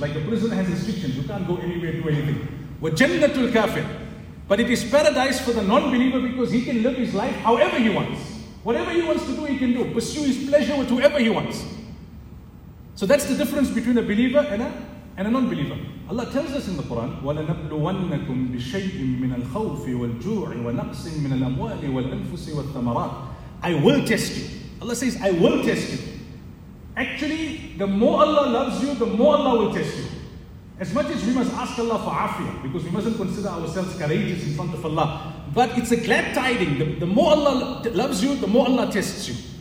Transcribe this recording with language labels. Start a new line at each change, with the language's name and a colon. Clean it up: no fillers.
English: Like a prisoner has restrictions, you can't go anywhere, do anything.
Arabic: Wa jannatul kafir.
English: But it is paradise for the non-believer because he can live his life however he wants. Whatever he wants to do, he can do. Pursue his pleasure with whoever he wants. So that's the difference between a believer and a non-believer.
Arabic: Allah tells us in the Quran, وَلَنَبْلُوَنَّكُمْ بِشَيْءٍ مِّنَ الْخَوْفِ وَالْجُوعِ وَنَقْصٍ مِّنَ الْأَمْوَالِ وَالْأَنفُسِ وَالثَّمَرَاتِ.
English: I will test you. Allah says, I will test you. Actually, the more Allah loves you, the more Allah will test you. As much as we must ask Allah for afiyah, because we mustn't consider ourselves courageous in front of Allah. But it's a glad tiding. The more Allah loves you, the more Allah tests you.